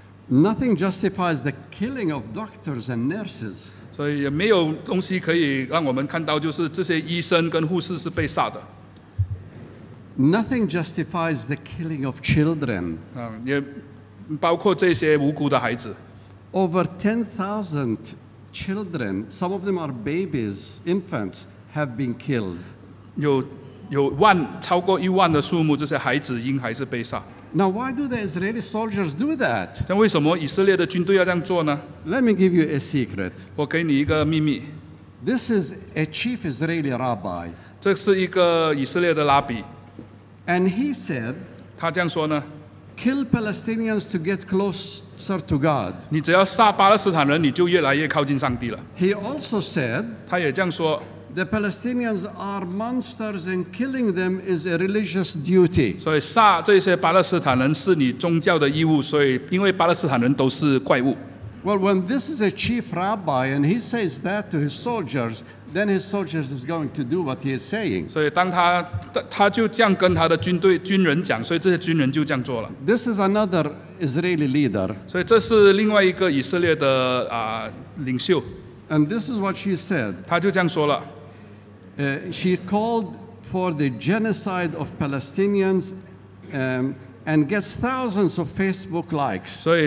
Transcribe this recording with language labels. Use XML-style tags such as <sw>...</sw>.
<en>Nothing justifies the killing of doctors and nurses.</en> <zh>所以也没有东西可以让我们看到，就是这些医生跟护士是被杀的。</zh> <en>Nothing justifies the killing of children.</en> <zh>也包括这些无辜的孩子。</zh> <en>Over 10,000 children, some of them are babies, infants, have been killed.</en> <zh>有超过10,000的数目，这些孩子婴孩是被杀。</zh> <en>Now, why do the Israeli soldiers do that?</en> <zh>那为什么以色列的军队要这样做呢？</zh> <en>Let me give you a secret.</en> <zh>我给你一个秘密。</zh> <en>This is a chief Israeli rabbi.</en> <zh>这是一个以色列的拉比。</zh> <en>And he said,</en> <zh>他这样说呢，</zh> <en>Kill Palestinians to get closer to God.</en> <zh>你只要杀巴勒斯坦人，你就越来越靠近上帝了。</zh> <en>He also said,</en> <zh>他也这样说，</zh> <en>The Palestinians are monsters, and killing them is a religious duty.</en> <zh>所以杀这些巴勒斯坦人是你宗教的义务，所以因为巴勒斯坦人都是怪物。</zh> <en>Well, when this is a chief rabbi and he says that to his soldiers, then his soldiers is going to do what he is saying.</en> <zh>所以当他就这样跟他的军人讲，所以这些军人就这样做了。</zh> <en>This is another Israeli leader.</en> <zh>所以这是另外一个以色列的领袖。</zh> <en>And this is what she said.</en> <zh>他就这样说了。</zh> <en>She called for the genocide of Palestinians and gets thousands of Facebook likes.</en>